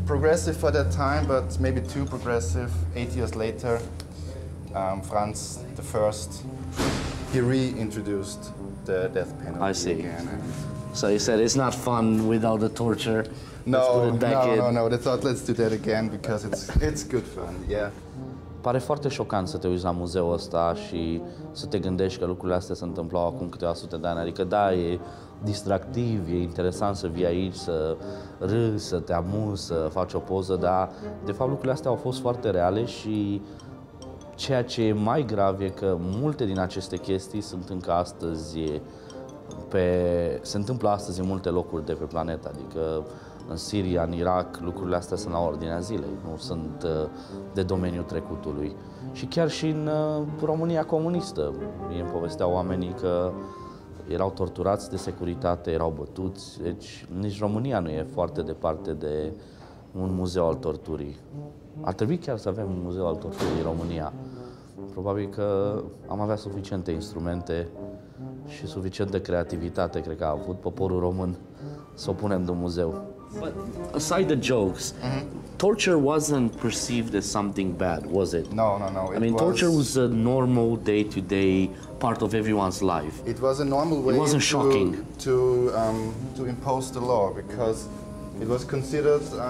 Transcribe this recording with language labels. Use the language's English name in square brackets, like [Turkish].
[English] Progressive for that time, but maybe too progressive 8 years later. Franz the First, he reintroduced the death penalty again. I see. Again, so he said it's not fun without the torture. No, let's put it back no, in. No, no. They thought let's do that again because it's good fun. Yeah. [Romanian] Pare foarte șocant să te uiți la muzeul ăsta și să te gândești că lucrurile astea se întâmplau acum câteva sute de ani. Adică da, e distractiv, e interesant să vii aici, să râzi, să te amuzi, să faci o poză, dar de fapt lucrurile astea au fost foarte reale și ceea ce e mai grav e că multe din aceste chestii sunt încă astăzi se întâmplă astăzi în multe locuri de pe planetă, adică în Siria, în Irak, lucrurile astea sunt la ordinea zilei, nu sunt de domeniul trecutului. și chiar și în România comunistă. Mie îmi povesteau oamenii că erau torturați de securitate, erau bătuți, deci nici România nu e foarte departe de un muzeu al torturii. Ar trebui chiar să avem un muzeu al torturii în România. Probabil că am avea suficiente instrumente și suficient de creativitate, cred că a avut poporul român, să o punem de muzeu. [English] But aside the jokes, torture wasn't perceived as something bad, was it? No. Torture was a normal day-to-day part of everyone's life. It was a normal way. It wasn't shocking to impose the law, because it was considered.